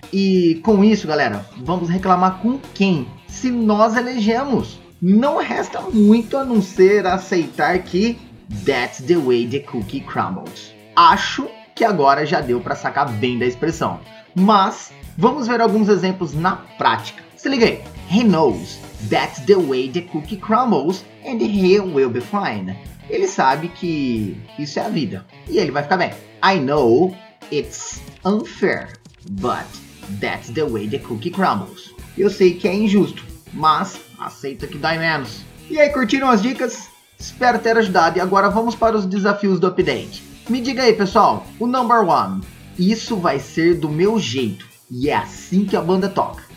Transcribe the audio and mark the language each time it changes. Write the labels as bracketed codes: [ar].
[pt] E com isso, galera, vamos reclamar com quem? Se nós elegemos. Não resta muito a não ser aceitar que [en] that's the way the cookie crumbles. [pt] Acho que agora já deu para sacar bem da expressão. Mas vamos ver alguns exemplos na prática. Se liga aí. [en] He knows that's the way the cookie crumbles and he will be fine. [pt] Ele sabe que isso é a vida e ele vai ficar bem. [en] I know it's unfair, but that's the way the cookie crumbles. [pt] Eu sei que é injusto, mas aceita que dói menos. E aí, curtiram as dicas? Espero ter ajudado e agora vamos para os desafios do update. Me diga aí, pessoal, o number one. Isso vai ser do meu jeito e é assim que a banda toca.